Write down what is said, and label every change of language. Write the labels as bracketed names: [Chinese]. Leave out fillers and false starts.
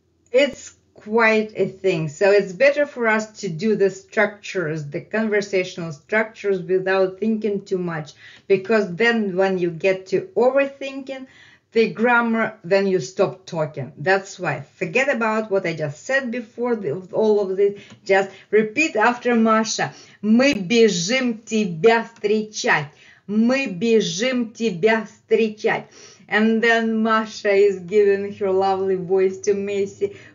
[English] It's quite a thing. So it's better for us to do the structures, the conversational structures, without thinking too much, because then when you get to overthinking the grammar, then you stop talking. That's why forget about what I just said before all of this. Just repeat after Маша. [Russian] Мы бежим тебя встречать. Мы бежим тебя встречать. [English] And then Маша is giving her lovely voice to Macy.